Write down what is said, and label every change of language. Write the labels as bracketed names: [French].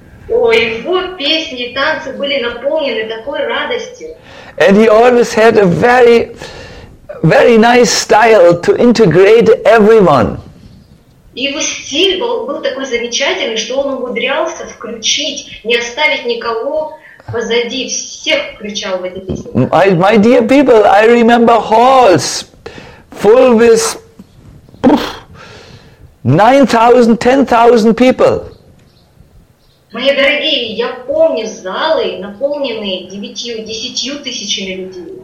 [Russian] Ой, его песни и танцы были наполнены такой радостью. [English] And he always had a very nice style to integrate everyone. [Russian] И его стиль был такой замечательный, что он умудрялся включить, не оставить никого позади, всех включал в эти песни. [English] My dear people, I remember halls full with 9,000, 10,000 people. [Russian] Мои дорогие, я помню залы, наполненные 9-10 тысячами людей.